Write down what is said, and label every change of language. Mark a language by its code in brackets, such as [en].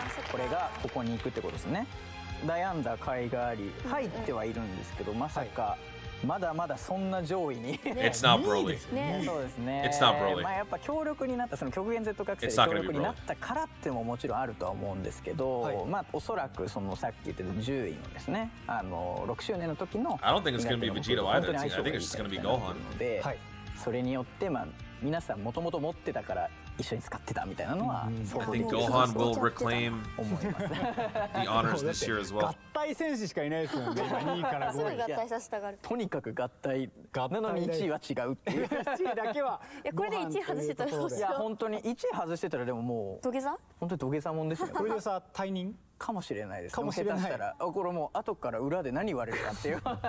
[ja] これがここに行くってことですね。悩んだ甲斐があり、入ってはいるんですけど、まさか。まだまだそんな上位に。 [en] It's not Broly. It's not Broly. [ja] まあやっぱ強力になったその極限 Z 覚醒で強力になったからってももちろんあるとは思うんですけど、まあおそらくそのさっき言ってた10位のですね、6周年の時の。 [en] I don't think it's gonna be Vegeta either. I think it's just gonna be Gohan. [ja] で、それによって、まあ、皆さんもともと持ってたから一緒に使ってたみたいなのは、 [en] うん、I think Gohan will reclaim the honors this year as well. [ja] 合体戦士しかいないですもんね。 2位から5位。すぐ合体させたがる。とにかく合体。なのに1位は違うっていう。 1位だけは。いやこれで1位外してたらどうしよう。いや本当に1位外してたらでももう土下座？本当に土下座もんですよ。これでさ退任かもしれないです。かもしれない。下手したらこれもう後から裏で何言われるかっていう。